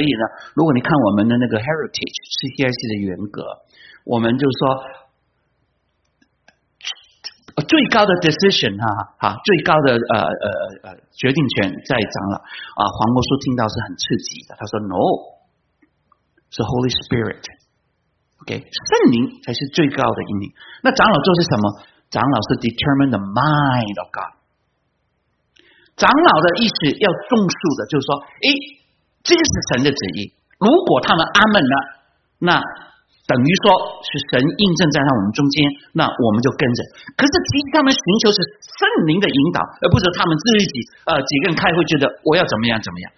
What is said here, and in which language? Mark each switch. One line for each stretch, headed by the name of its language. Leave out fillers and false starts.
Chinese: 所以呢，如果你看我们的那个 heritage CCIC 的原格，我们就说最高的 decision 哈、啊、哈，最高的决定权在长老啊。黄牧师听到是很刺激的，他说 No， 是 Holy Spirit， OK， 圣灵才是最高的引领。那长老做是什么？长老是
English: determine the mind of God。
Chinese: 长老的意思要重述的，就是说，哎，这个是神的旨意。如果他们阿们了，那等于说是神印证在他们中间，那我们就跟着。可是其实他们寻求是圣灵的引导，而不是他们自己几个人开会觉得我要怎么样怎么样。